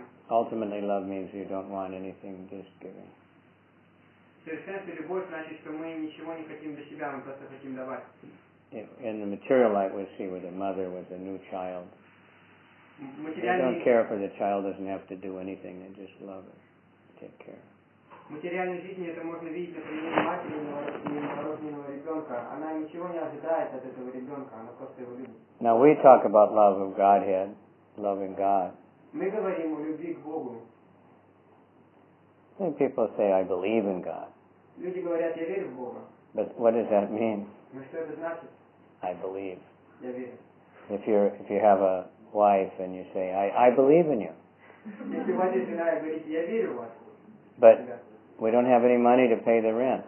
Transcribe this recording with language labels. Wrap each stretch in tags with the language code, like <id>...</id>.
<en>Ultimately, love means you don't want anything, just giving. In the material light, we see with a mother with a new child. They don't care for the child, doesn't have to do anything, they just love it, take care.</en> <ru>В материальной жизни это можно видеть на примере матери ненарожденного ребенка. Она ничего не ожидает от этого ребенка, она просто его любит.</ru> <en>Now we talk about love of Godhead, loving God.</en> <ru>Мы говорим о любви к Богу.</ru> <en>Some people say, I believe in God.</en> <ru>Люди говорят, я верю в Бога.</ru> <en>But what does that mean?</en> <ru>Но что это значит?</ru> <en>I believe.</en> <ru>Я верю.</ru> <en>If you have a wife and you say, I believe in you.</en> <ru>Если у вас есть жена, и говорите, я верю в вас.</ru> <en>But we don't have any money to pay the rent.</en>